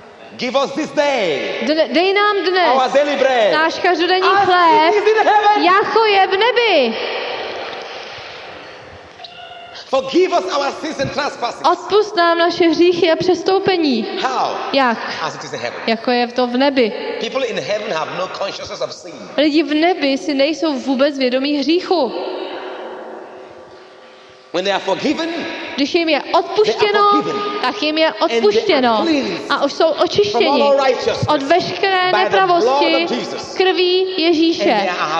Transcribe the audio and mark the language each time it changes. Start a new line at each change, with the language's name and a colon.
English: Give us this day.
Czech: Dej nám dnes
English: our daily bread.
Czech: Náš každodenní chléb, jako je v nebi.
English: Forgive us our sins and trespasses.
Czech: Odpusť nám naše hříchy a přestoupení.
English: How?
Czech: Jak?
English: As it is in heaven.
Czech: Jako je to v nebi.
English: People in heaven have no consciousness of sin.
Czech: Lidi v nebi si nejsou vůbec vědomí hříchu.
English: When they are forgiven,
Czech: když jim je odpuštěno, tak jim je odpuštěno a už jsou očištěni od veškeré nepravosti krví Ježíše.